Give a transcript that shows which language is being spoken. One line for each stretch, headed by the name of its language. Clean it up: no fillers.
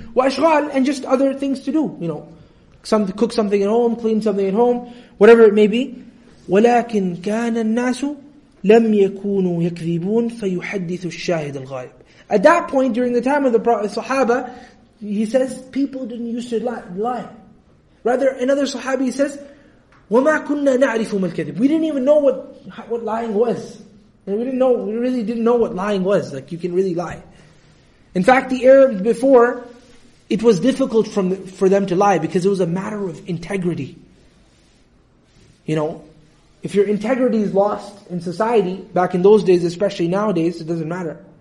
English: وَأَشْغَالٌ, and just other things to do. You know, some cook something at home, clean something at home, whatever it may be.
Arabic: وَلَكِنْ كَانَ النَّاسُ لَمْ يَكُونُوا يَكْذِبُونَ فَيُحَدِّثُ الشَّاهِدُ الْغَائِبُ.
English: At that point, during the time of the Sahaba, he says, people didn't used to lie. Rather, another Sahabi says,
Arabic: وَمَا كُنَّا نَعْرِفُ مَا الْكَذِبُ.
English: We didn't even know what lying was. And we really didn't know what lying was. Like, you can really lie. In fact, the era before, it was difficult for them to lie because it was a matter of integrity. You know, if your integrity is lost in society, back in those days, especially nowadays, it doesn't matter.